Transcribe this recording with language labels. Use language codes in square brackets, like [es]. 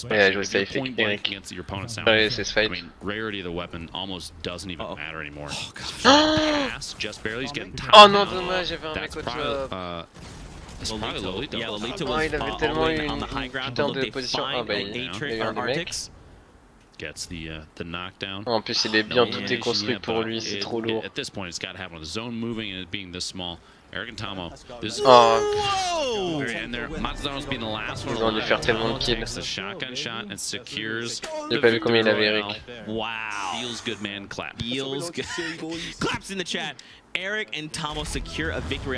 [en] Rarity of the weapon almost doesn't even matter anymore. Just barely. He's getting tired. Oh no, dommage. That's probably. Lolita was on the high ground, but they find an Arctix. Gets the knockdown. [fr] En plus, il est bien tout déconstruit pour lui, c'est trop lourd. [en] At this point, it's got to happen with the zone moving and it being this small. Eric and Tomo. Matsuzano's being the last one. [fr] Ils ont dû faire tellement de kills. [en] The shotgun shot and secures. [fr] J'ai pas vu combien il avait, Eric. [en] Wow. Feels good, man. Clap. Feels good. Claps in the chat. Eric and Tomo secure a victory.